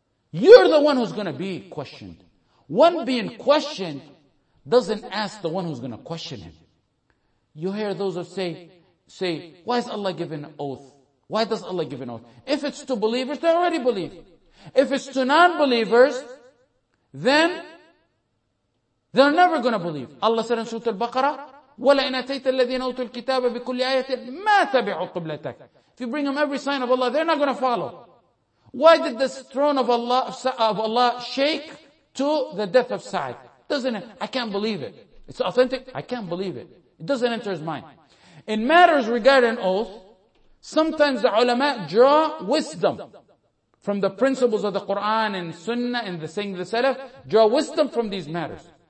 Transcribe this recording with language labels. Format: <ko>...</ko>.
<en>You're the one who's going to be questioned. One being questioned doesn't ask the one who's going to question him. You hear those of say, why is Allah giving an oath? Why does Allah give an oath? If it's to believers, they already believe. If it's to non-believers, then they're never going to believe. Allah said in Surah Al-Baqarah,</en> <ar>وَلَئِنْ أَتَيْتَ الَّذِينَ أُوتُوا الْكِتَابَ بِكُلِّ آيَةٍ مَا تَبِعُوا قِبْلَتَكَ.</ar> <en>If you bring them every sign of Allah, they're not going to follow. Why did this throne of Allah shake to the death of Sa'd? Doesn't it? I can't believe it. It's authentic. I can't believe it. It doesn't enter his mind. In matters regarding oath, sometimes the ulama draw wisdom from the principles of the Quran and Sunnah and the saying of the Salaf, draw wisdom from these matters.</en>